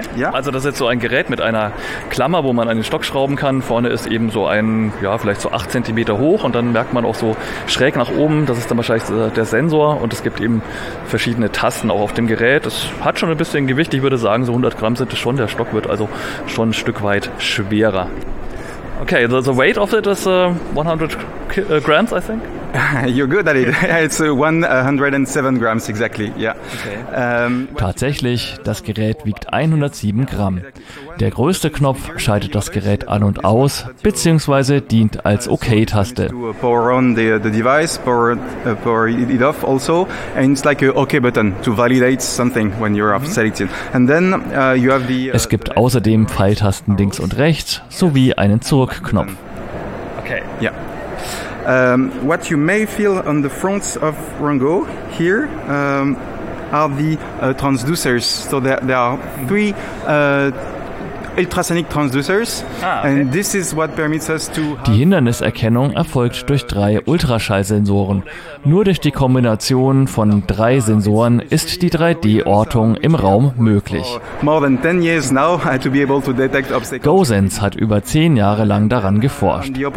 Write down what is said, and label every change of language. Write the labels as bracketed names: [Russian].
[German] Also das ist jetzt so ein Gerät mit einer Klammer, wo man einen Stock schrauben kann. Vorne ist eben so ein, ja, vielleicht so 8 cm hoch und dann merkt man auch so schräg nach oben, das ist dann wahrscheinlich der Sensor und es gibt eben verschiedene Tasten auch auf dem Gerät. Es hat schon ein bisschen Gewicht, ich würde sagen so 100 Gramm sind es schon, der Stock wird also schon ein Stück weit schwerer. [English] Okay, the weight of it is 100 grams, I think. You're good at it. It's 107 grams exactly. Yeah. [German] Tatsächlich, das Gerät wiegt 107 Gramm. Der größte Knopf schaltet das Gerät an und aus, beziehungsweise dient als OK-Taste. [English] Power on the device, power it off also, and it's like a OK-Button to validate something when you're off selected. And then you have the. [German] Es gibt außerdem Pfeiltasten links und rechts sowie einen Zurückknopf. Okay. Yeah. [English] What you may feel on the fronts of Rungo here are the transducers. So there are 3 ultrasonic transducers, and this is what permits us to. [German] Die Hinderniserkennung erfolgt durch 3 Ultraschallsensoren. Nur durch die Kombination von 3 Sensoren ist die 3D-Ortung im Raum möglich. GoSense hat über 10 Jahre lang daran geforscht.